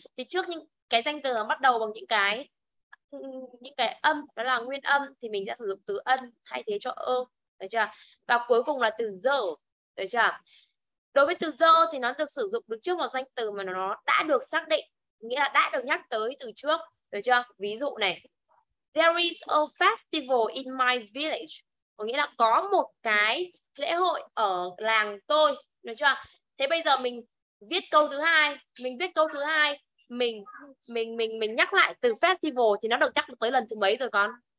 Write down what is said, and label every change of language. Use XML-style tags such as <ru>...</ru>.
<vi>Thì trước những cái danh từ bắt đầu bằng những cái âm, đó là nguyên âm, thì mình sẽ sử dụng từ ân thay thế cho ơ. Được chưa? Và cuối cùng là từ dơ. Được chưa? Đối với từ dơ thì nó được sử dụng được trước một danh từ mà nó đã được xác định, nghĩa là đã được nhắc tới từ trước. Được chưa? Ví dụ này,</vi> <en>there is a festival in my village.</en> <vi>Có nghĩa là có một cái lễ hội ở làng tôi. Được chưa? Thế bây giờ mình viết câu thứ hai. Mình viết câu thứ hai, mình nhắc lại từ festival thì nó được nhắc tới lần thứ mấy rồi con?</vi>